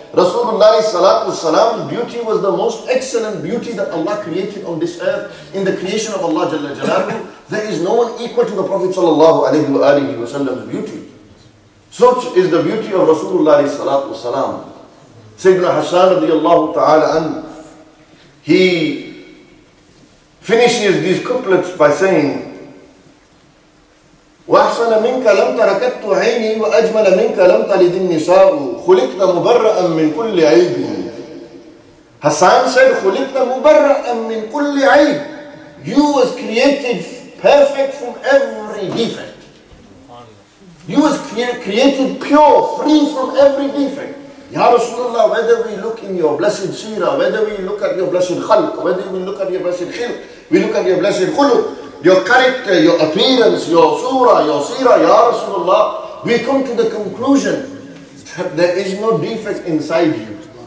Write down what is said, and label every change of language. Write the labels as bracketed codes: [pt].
[en] Rasulullah salam's beauty was the most excellent beauty that Allah created on this earth. In the creation of Allah Jalla Jalalu, there is no one equal to the Prophet sallallahu alayhi wa sallam's beauty. Such is the beauty of Rasulullah salam. Sayyidina Hassan radiyallahu ta'ala an, he finishes these couplets by saying, [ar] وأحسن منك لم تركت عيني وأجمل منك لم تلد النساء خلقت مبرأ من كل عيب. حسان [en] said [ar] خلقت مبرأ من كل عيب. [en] You was created perfect from every defect. You was created pure, free from every defect. Ya Rasulullah, whether we look in your blessed seerah, whether we look at your blessed khalq, whether we look at your blessed khilq, we look at your blessed khuluq, your character, your appearance, your surah, your seerah, Ya Rasulullah, we come to the conclusion that there is no defect inside you.